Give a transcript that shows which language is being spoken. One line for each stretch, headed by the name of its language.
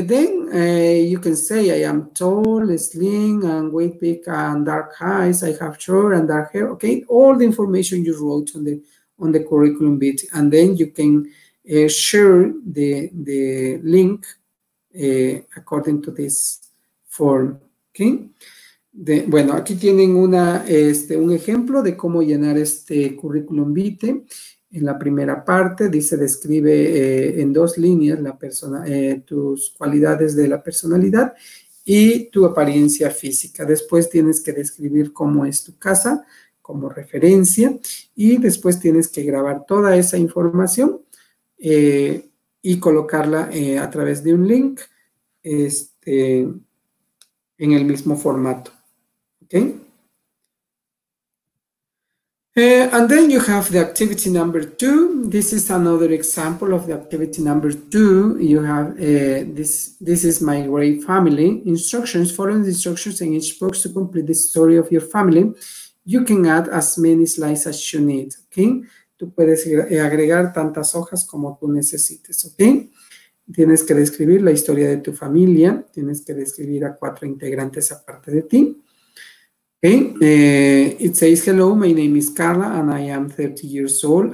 English: Then you can say I am tall, slim, and with big and dark eyes. I have short and dark hair. Okay. All the information you wrote on the curriculum vitae, and then you can share the link according to this form. Okay.
Spanish: Bueno, aquí tienen un ejemplo de cómo llenar este curriculum vitae. En la primera parte dice, describe en dos líneas la persona, tus cualidades de la personalidad y tu apariencia física. Después tienes que describir cómo es tu casa como referencia y después tienes que grabar toda esa información y colocarla a través de un link en el mismo formato. ¿Okay?
English: And then you have the activity number two. This is another example of the activity number two. You have this is my great family. Instructions, following the instructions in each box to complete the story of your family. You can add as many slides as you need, ¿ok?
Spanish: Tú puedes agregar tantas hojas como tú necesites, ¿ok? Tienes que describir la historia de tu familia, tienes que describir a cuatro integrantes aparte de ti, ¿ok?
English: It says, hello, my name is Carla and I am 30 years old.